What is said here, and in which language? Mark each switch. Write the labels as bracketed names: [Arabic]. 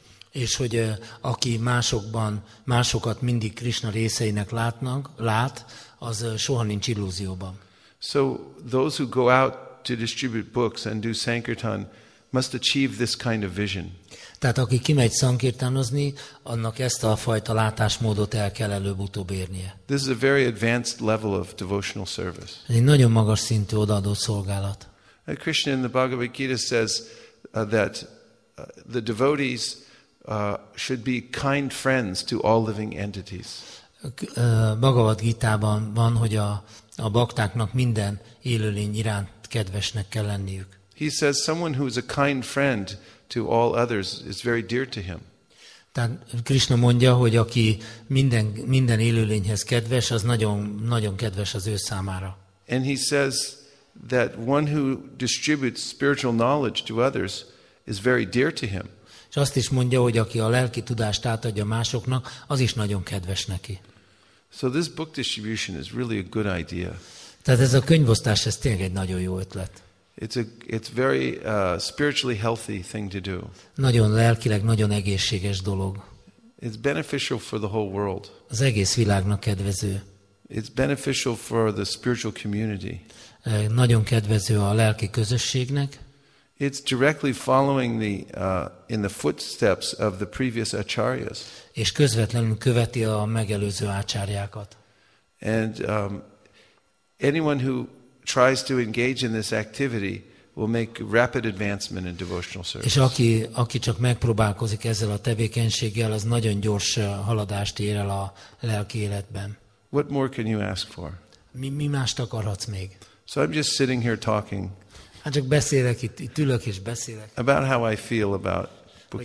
[Hungarian] És hogy aki másokat mindig Krishna részeinek lát, az soha nincs illúzióban. [English] So those who go out to distribute books and do sankirtan must achieve this kind of vision. [Hungarian] Tehát aki kimegy szankirtánozni, annak ezt a fajta látásmódot el kell előbb-utóbb érnie. [English] This is a very advanced level of devotional service. [Hungarian] Ez egy nagyon magas szintű odaadó szolgálat. [English] Krishna in the Bhagavad Gita says that the devotees should be kind friends to all living entities. [Hungarian] Bhagavad Gita-ban van, hogy a baktáknak minden élőlény iránt kedvesnek kell lenniük. [English] He says someone who is a kind friend to all others is very dear to him. [Hungarian] Tehát Krishna mondja, hogy aki minden élőlényhez kedves, az nagyon nagyon kedves az ő számára. [English] And he says that one who distributes spiritual knowledge to others is very dear to him. [Hungarian] És azt is mondja, hogy aki a lelki tudást átadja másoknak, az is nagyon kedves neki. [English] So this book distribution is really a good idea. [Hungarian] Tehát ez a könyvosztás, ez tényleg egy nagyon jó ötlet. [English] It's very spiritually healthy thing to do. [Hungarian] Nagyon lelkileg nagyon egészséges dolog. [English] It's beneficial for the whole world. [Hungarian] Az egész világnak kedvező. [English] It's beneficial for the spiritual community. [Hungarian] nagyon kedvező a lelki közösségnek. [English] It's directly following the in the footsteps of the previous acharyas. [Hungarian] És közvetlenül követi a megelőző ácsárjákat. [English] And anyone who tries to engage in this activity will make rapid advancement in devotional service. [Hungarian] És aki csak megpróbálkozik ezzel a tevékenységgel, az nagyon gyors haladást ér el a lelki életben. [English] What more can you ask for? [Hungarian] Mi mást akarhatsz még? [English] So I'm just sitting here talking. [Hungarian] Hát csak beszélek itt ülök és beszélek. [English] About how I feel about book